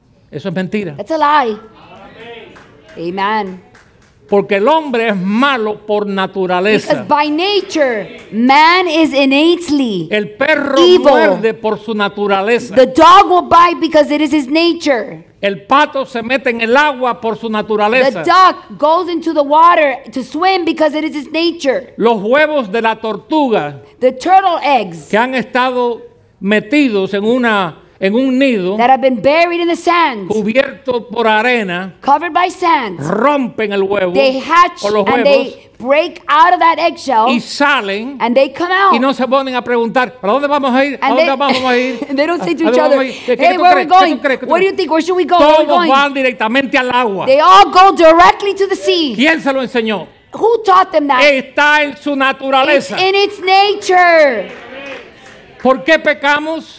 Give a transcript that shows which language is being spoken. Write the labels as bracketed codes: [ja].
[es] Eso es mentira. [en] That's a lie. Amen. Amen. [es] Porque el hombre es malo por naturaleza. [en] Because by nature, man is innately evil. [es] El perro muerde por su naturaleza. [en] The dog will bite because it is his nature. [es] El pato se mete en el agua por su naturaleza. [en] The duck goes into the water to swim because it is its nature. [es] Los huevos de la tortuga. [en] The turtle eggs. [es] Que han estado metidos en un nido. [en] That have been buried in the sand. [es] Cubierto por arena. [en] Covered by sand. [es] Rompen el huevo. [en] They hatch [es] o los huevos, [en] and they break out of that eggshell. [es] Y salen. [en] And they come out. [es] Y no se ponen a preguntar, ¿para dónde vamos a ir? ¿A dónde vamos a ir? [en] And they don't say to each other, hey, where are we going? What do you think? Where should we go? [es] Todos [en] where are we going? [es] Van directamente al agua. [en] They all go directly to the sea. [es] ¿Quién se lo enseñó? [en] Who taught them that? [es] Está en su naturaleza. [en] It's in its nature. [es] ¿Por qué pecamos?